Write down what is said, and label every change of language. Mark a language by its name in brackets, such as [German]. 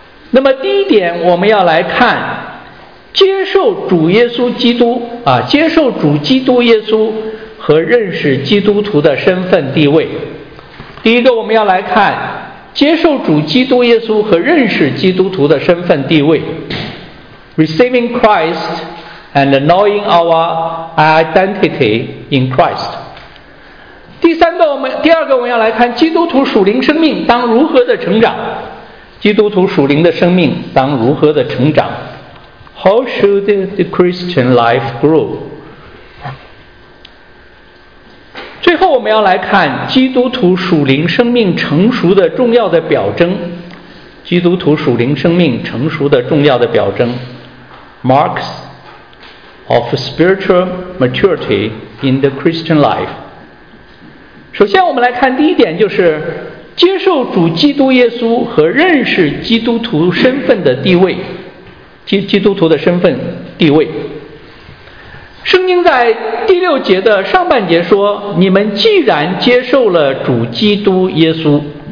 [Chinese] 那么第一点，我们要来看接受主耶稣基督啊，接受主基督耶稣和认识基督徒的身份地位。第一个，我们要来看接受主基督耶稣和认识基督徒的身份地位。 [English] Receiving Christ and knowing our identity in Christ. [Chinese] 第二个我们要来看基督徒属灵生命当如何的成长。基督徒属灵的生命当如何的成长。 [English] How should the Christian life grow? [Chinese] 最后我们要来看基督徒属灵生命成熟的重要的表征。基督徒属灵生命成熟的重要的表征。 [English] Marks of spiritual maturity in the Christian life. [Chinese] 首先我们来看第一点，就是接受主基督耶稣和认识基督徒身份的地位，基督徒的身份地位。圣经在第六节的上半节说，你们既然接受了主基督耶稣。